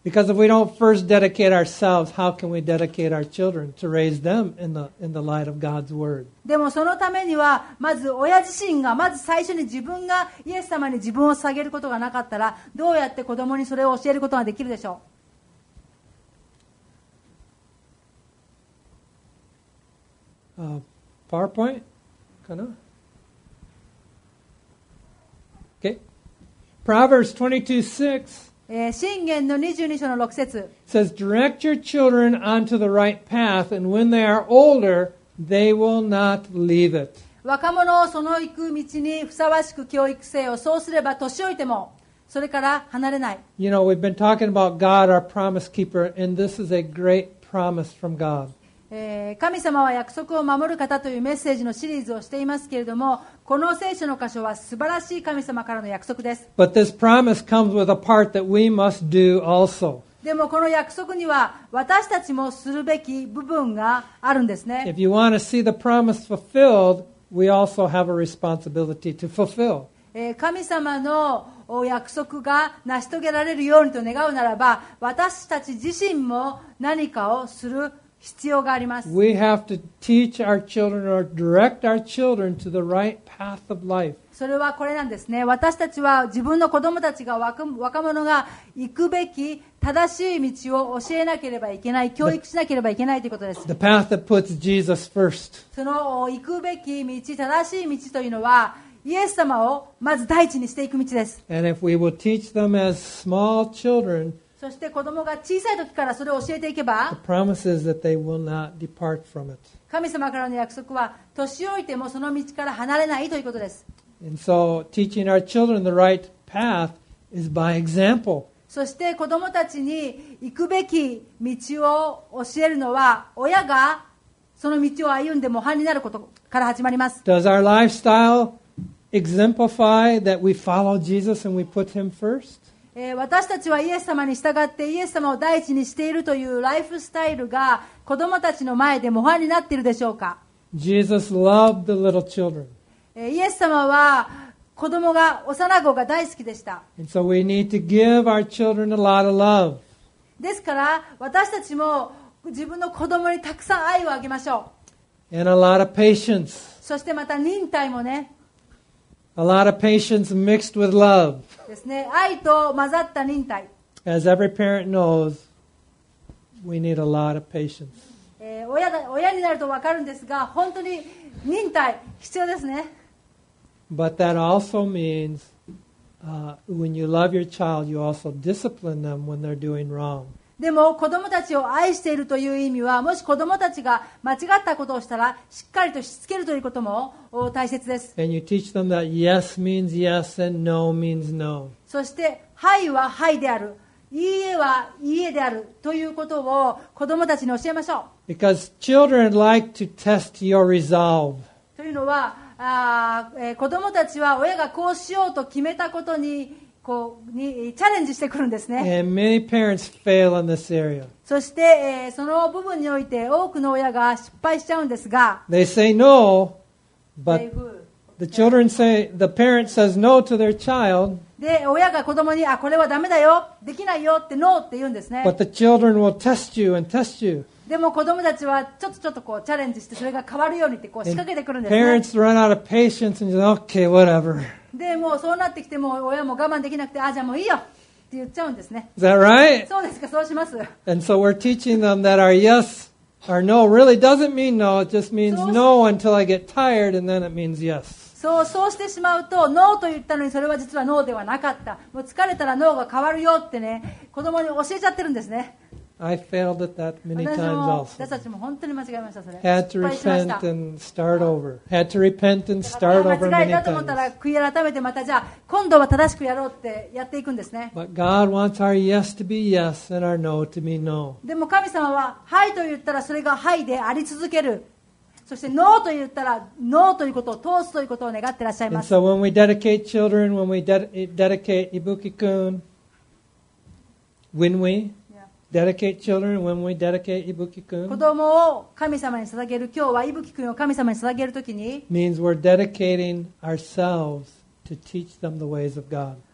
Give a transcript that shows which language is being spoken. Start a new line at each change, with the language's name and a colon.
English: Because if we don't first dedicate ourselves, how can we dedicate our children to raise them in the light of God's word?
Japanese: でもそのためにはまず親自身がまず最初に自分がイエス様に自分を捧げることがなかったら、どうやって子供にそれを教えることができるでしょう。 PowerPoint かな。
English: Okay. Proverbs 22:6.
Japanese: 箴言の22章の6節。
English: It says, Direct your children onto the right path, and when they are older, they will not leave it.
Japanese: 若者をその行く道にふさわしく教育せよ。そうすれば年老いてもそれから離れない。
English: You know, we've been talking about God, our promise keeper, and this is a great promise from God.
Japanese: 神様は約束を守る方というメッセージのシリーズをしていますけれども、この聖書の箇所は素晴らしい神様からの約束です。
English: But this promise comes with a part that we must do also.
Japanese: でもこの約束には私たちもするべき部分があるんですね。
English: If you want to see the promise fulfilled, we also have a responsibility to fulfill.
Japanese: 神様の約束が成し遂げられるようにと願うならば、私たち自身も何かをする必要があります。
English: We have to teach our children or direct our children to the right path of life.
Japanese: それはこれなんですね。私たちは自分の子供たちが 若者が行くべき正しい道を教えなければいけない、教育しなければいけないということです。
English: The path that puts Jesus first.
Japanese: その行くべき道、正しい道というのは、イエス様をまず第一にしていく道です。
English: And if we will teach them as small children,
Japanese: そして子供が小さい時からそれを教えていけば、
English: The promises that they will not depart from it.
Japanese: 神様からの約束は年老いてもその道から離れないということです。
English: And so, teaching our children the right path is by example.
Japanese: そして子供たちに行くべき道を教えるのは親がその道を歩んで模範になることから始まります。
English: Does our lifestyle exemplify that we follow Jesus and we put him first?
Japanese: 私たちはイエス様に従ってイエス様を第一にしているというライフスタイルが子供たちの前で模範になっているでしょうか。
English: Jesus loved the little children.
Japanese: イエス様は子供が幼子が大好きでした。
English: And so we need to give our children a lot of love.
Japanese: ですから私たちも自分の子供にたくさん愛をあげましょう。
English: And a lot of patience.
Japanese: そしてまた忍耐もね。
English: A lot of patience mixed with love.
Japanese: ですね、愛と混ざった忍耐。
English: As every parent knows, we need a lot of patience.
Japanese: 親になると分かるんですが、本当に忍耐必要ですね。
English: But that also means, when you love your child, you also discipline them when they're doing wrong.
Japanese: でも子供たちを愛しているという意味は、もし子供たちが間違ったことをしたら、しっかりとしつけるということも大切です。
English: And you teach them that yes means yes and no means no.
Japanese: そして、はいははいである、いいえはいいえであるということを子供たちに教えましょう。
English: Because children like to test your resolve.
Japanese: というのは、子供たちは親がこうしようと決めたことにこうにチャレンジしてくるんですね。
English: And many parents fail in this area.
Japanese: そして、その部分において多くの親が失敗しちゃうんですが。
English: They say no, but the children say, the parent says no to their child.
Japanese: で、親が子供に、あ、これはダメだよ、できないよってノーって言うんですね。
English: But the children will test you and test you.
Japanese: でも子供たちはちょっとこうチャレンジして、それが変わるようにってこう仕掛けてくるんですね。
English: And parents run out of patience and say, okay, whatever.
Japanese: でもうそうなってきても親も我慢できなくて、あ、じゃあもういいよって言っちゃうんですね。
English: Is that right?
Japanese: そうですか、そうします。
English: And so we're teaching them that our yes, our no really doesn't mean no, it just means no until I get tired and then it means yes.
Japanese: そうしてしまうと、ノーと言ったのにそれは実はノーではなかった。もう疲れたらノーが変わるよってね、子供に教えちゃってるんですね。
English: I failed at that many times also.
Japanese: 私たちも本当に間違えました、それ。
English: Had to repent and start over. Had to repent and start over many times.
Japanese: 間違えたと思ったら悔い改めてまたじゃあ今度は正しくやろうってやっていくんですね。
English: But God wants our yes to be yes and our no to be no.
Japanese: でも神様ははいと言ったらそれがはいであり続ける。そしてノーと言ったらノーということを通すということを願ってらっしゃいます。
English: And so when we dedicate children, when we dedicate Ibuki-kun, when we... Dedicate children when we dedicate Ibuki-kun.
Japanese: 子供を神様に捧げる今日は伊吹君を神様に捧げるときに
English: means we're dedicating ourselves to teach them the ways of God.